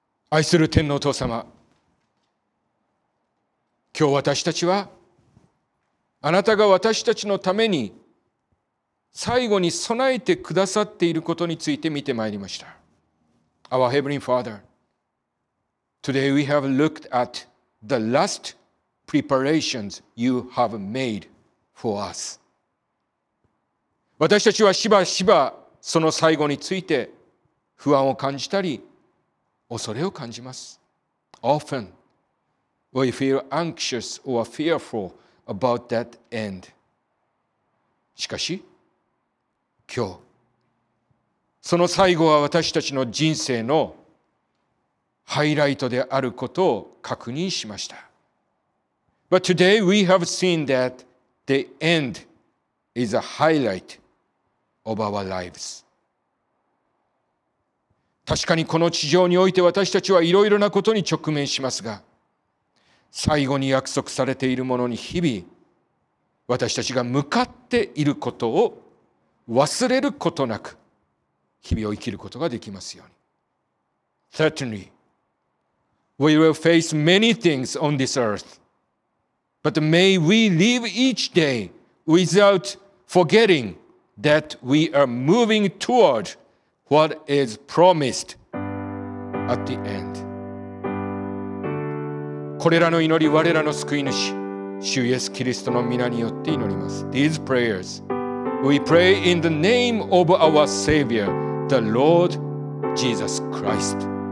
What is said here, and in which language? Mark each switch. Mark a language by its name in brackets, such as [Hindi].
[Japanese] 愛する天のお父様、今日私たちはあなたが私たちのために最後に備えてくださっていることについて見てまいりました。 [English] Our Heavenly Father, Today we have looked at the last preparations you have made for us. [Japanese] 私たちはしばしばその最後について不安を感じたり恐れを感じます。 [English] Often we feel anxious or fearful about that end. [Japanese] しかし今日その最後は私たちの人生のハイライトであることを確認しました。 [English] But today we have seen that the end is a highlight of our lives. [Japanese] 確かにこの地上において私たちはいろいろなことに直面しますが、最後に約束されているものに日々私たちが向かっていることを忘れることなく日々を生きることができますように。 [English] Certainly, we will face many things on this earth, but may we live each day without forgetting that we are moving toward what is promised at the end. [Japanese] これらの祈り、我らの救い主、主イエス・キリストの御名によって祈ります。 [English] These prayers,We pray in the name of our Savior, the Lord Jesus Christ.